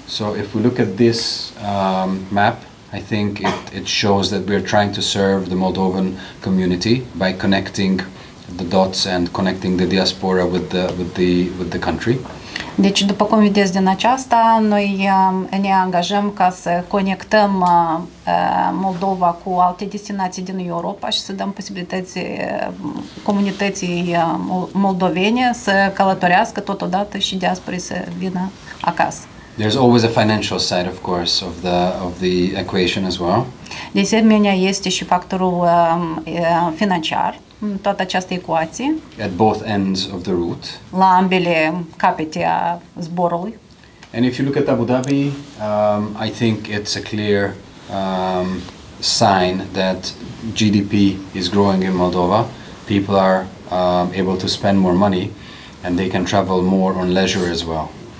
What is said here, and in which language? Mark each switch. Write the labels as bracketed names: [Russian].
[English] So if we look at this map, I think it shows that we are trying to serve the Moldovan community by connecting the dots and connecting the diaspora with the country. [Romanian] Deci, după cum vedeți din aceasta, noi ne angajăm ca să conectăm Moldova cu alte destinații din Europa și să dăm posibilități comunității moldovene să călătorească totodată și diasporii să vină acasă. [English] There's always a financial side, of course, of the equation as well. [Romanian] De asemenea, este și factorul financiar în toată această ecuație. [English] At both ends of the route. [Romanian] La ambele capete a zborului. [English] And if you look at Abu Dhabi, I think it's a clear sign that GDP is growing in Moldova. People are able to spend more money and they can travel more on leisure as well.